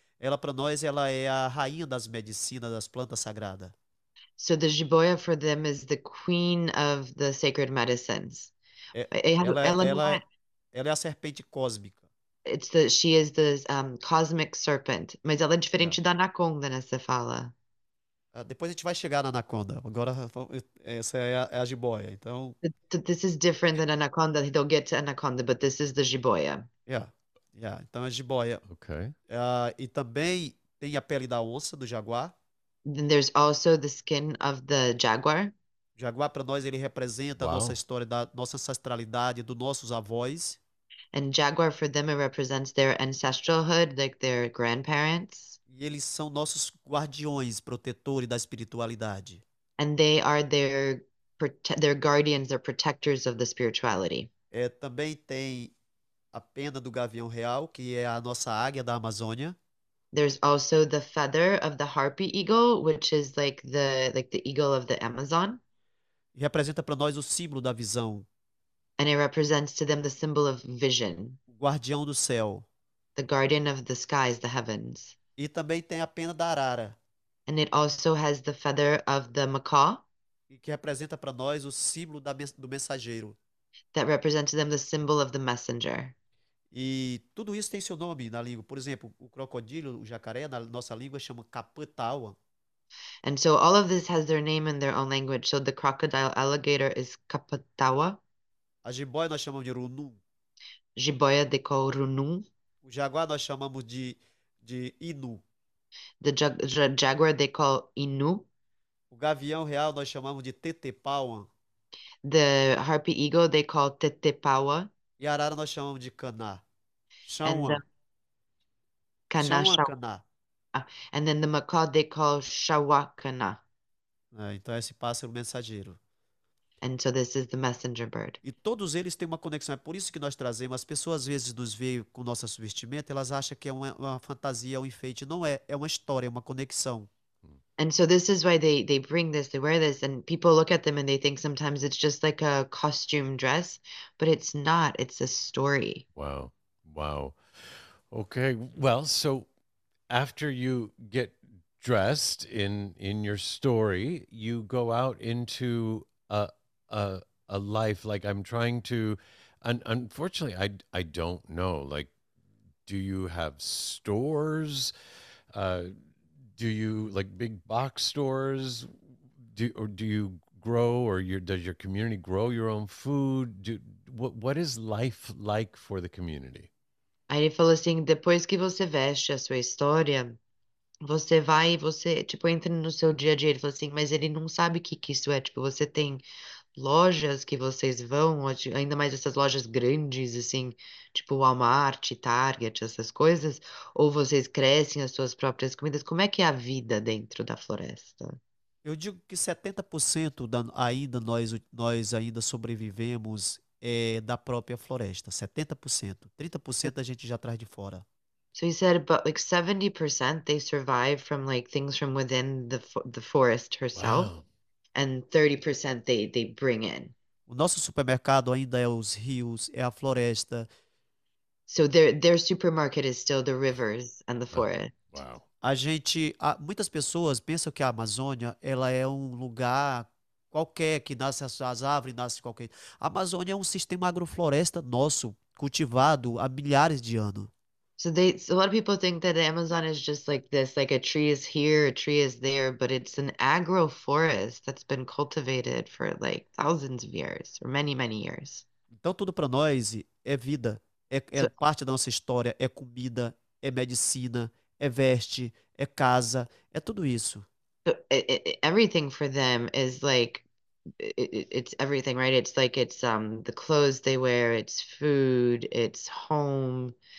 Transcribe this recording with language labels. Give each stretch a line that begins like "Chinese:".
Portuguese: Ela para nós, ela é a rainha das medicinas, das plantas sagradas.
English: So the jiboia for them is the queen of the sacred medicines.
Portuguese: É, Ela não ela, ela, ela é a serpente cósmica. é.
English: It's the she is the cosmic serpent.
Portuguese: Mas ela é diferente da anaconda nessa fala. Depois a gente vai chegar na anaconda. Agora essa é a jiboia. Então
English: This is different than anaconda. They'll get to anaconda, but this is the jiboia.
Portuguese: Então a jiboia.
English: Okay.
Portuguese: E também tem a pele da onça, do jaguar.
English: Then there's also the skin of the jaguar.
Portuguese: Jaguar para nós ele representa a nossa
English: Wow.
Portuguese: história, da nossa ancestralidade, dos nossos avós.
English: And jaguar for them, it represents their ancestralhood, like their grandparents.
Portuguese: E eles são nossos guardiões, protetores da espiritualidade.
English: And they are their guardians, their protectors of the spirituality.
Portuguese: Também tem a pena do gavião real, que é a nossa águia da Amazônia.
English: There's also the feather of the harpy eagle, which is like the eagle of the Amazon.
Portuguese: E representa para nós o símbolo da visão.
English: And it represents to them the symbol of vision.
Portuguese: O guardião do céu.
English: The guardian of the skies, the heavens.
Portuguese: E também tem a pena da arara.
English: And it also has the feather of the macaw.
Portuguese: E que representa para nós o símbolo do mensageiro.
English: That represents to them the symbol of the messenger.
Portuguese: E tudo isso tem seu nome na língua. Por exemplo, o crocodilo, o jacaré, na nossa língua chama caputaua.
English: And so all of this has their name in their own language. So the crocodile alligator is Capatawa.
Portuguese: A jiboia nós chamamos de runu. Jiboia de Corunum. O jaguar nós chamamos de inu.
English: The jaguar they call Inu.
Portuguese: O gavião real nós chamamos de tetepaua.
English: The harpy eagle they call Tetepawa.
Portuguese: E a arara nós chamamos de caná.
English: And the Chão-a. Kanasha. Chão-a-caná. And then the macaw they call Shawakana.
Portuguese: É, então é esse pássaro mensageiro.
English: And so this is the messenger bird.
Portuguese: E todos eles têm uma conexão. É por isso que nós trazemos. As pessoas às vezes nos veem com nossa vestimenta, elas acham que é uma fantasia, um enfeite. Não é. É uma história, é uma conexão.
English: And so this is why they bring this, they wear this, and people look at them and they think sometimes it's just like a costume dress, but it's not, it's a story. Wow. Wow. Okay. Well, so after you get dressed in your story, you go out into a life. Like I'm trying to, and unfortunately, I don't know. Like, do you have stores? Do you like big box stores? Do you grow, or does your community grow your own food? What is life like for the community?
Portuguese: Aí ele falou assim, depois que você veste a sua história, você vai e você, tipo, entra no seu dia a dia. Ele falou assim, mas ele não sabe o que que isso é. Tipo, você tem lojas que vocês vão, ainda mais essas lojas grandes, assim, tipo Walmart, Target, essas coisas, ou vocês crescem as suas próprias comidas. Como é que é a vida dentro da floresta? Eu digo que 70% ainda nós sobrevivemos da própria floresta. 70%. 30% a gente já traz de fora.
English: So he said, but like 70% they survive from like things from within the forest herself, Wow. and 30% they bring in.
Portuguese: O nosso supermercado ainda é os rios, é a floresta.
English: So their supermarket is still the rivers and the forest. Wow.
Portuguese: Muitas pessoas pensam que a Amazônia ela é um lugar qualquer que nasce as árvores, nasce qualquer. A Amazônia é um sistema agrofloresta nosso, cultivado há milhares de anos.
English: So a lot of people think that the Amazon is just like this, like a tree is here, a tree is there, but it's an agroforest that's been cultivated for like thousands of years, or many, many years.
Portuguese: Então tudo para nós é vida, é parte da nossa história, é comida, é medicina. É veste, é casa, é tudo isso.
English: Everything for them is like it's everything, right? It's the clothes they wear, it's food, it's home.